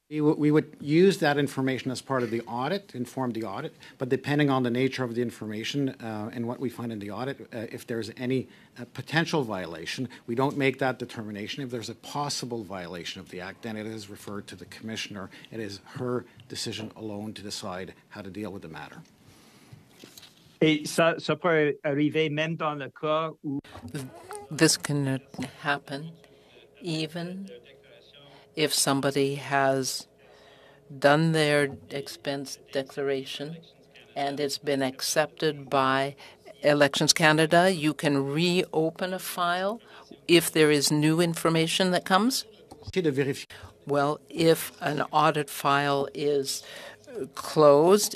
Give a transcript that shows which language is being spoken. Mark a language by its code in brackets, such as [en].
[en] We would use that information as part of the audit, inform the audit, but depending on the nature of the information and what we find in the audit, if there's any potential violation, we don't make that determination. If there's a possible violation of the Act, then it is referred to the Commissioner. It is her decision alone to decide how to deal with the matter. [fr] Ça peut arriver même dans le cas où... [en] This can happen even if somebody has done their expense declaration and it's been accepted by Elections Canada, you can reopen a file if there is new information that comes? Well, if an audit file is closed.